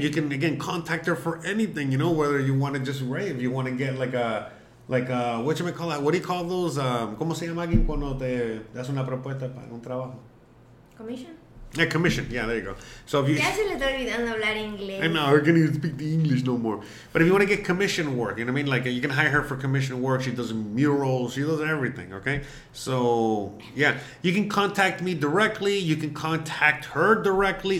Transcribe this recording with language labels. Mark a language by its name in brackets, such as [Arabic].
[English] Like, you can contact her for anything, you know, whether you want to just rave, you want to get like a, what you may call that? What do you call those? [Spanish] ¿Cómo se llama alguien cuando te das una propuesta para un trabajo? [English] Commission. Yeah, commission. Yeah, there you go. So if you... [Spanish] Ya se le está olvidando hablar inglés. [English] I know, we're going to speak the English no more. But if you want to get commission work, you know what I mean? Like, you can hire her for commission work. She does murals. She does everything, okay? So, yeah. You can contact me directly. You can contact her directly.